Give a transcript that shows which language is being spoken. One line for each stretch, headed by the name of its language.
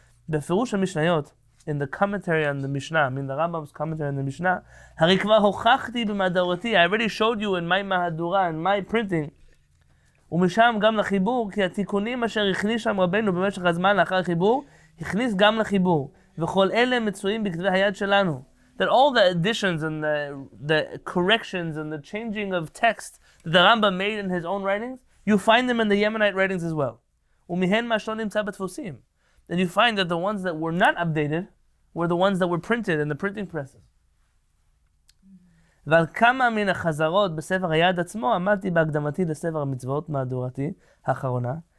Hebrew: בפירוש המשניות,
English: in the commentary on the Mishnah,
Hebrew: I mean the Rambam's commentary on the Mishnah, הרי כבר הוכחתי במדורתי,
English: I already showed you in my
Hebrew: מהדורה,
English: in my printing,
Hebrew: ומשם גם לחיבור, כי התיקונים אשר הכניס שם רבנו במשך הזמן לאחר החיבור, הכניס גם לחיבור, וכל אלה מצויים בכתבי היד שלנו.
English: That all the additions and the corrections and the changing of text that the Rambam made in his own writings, you find them in the Yemenite writings as well.
Hebrew: ומהן מה שלא נמצא בתפוסים.
English: And you find that the ones that were not updated were the ones that were printed in the printing presses.
Hebrew: ועל כמה מן החזרות בספר היד עצמו עמדתי בהקדמתי לספר המצוות מהדורתי האחרונה.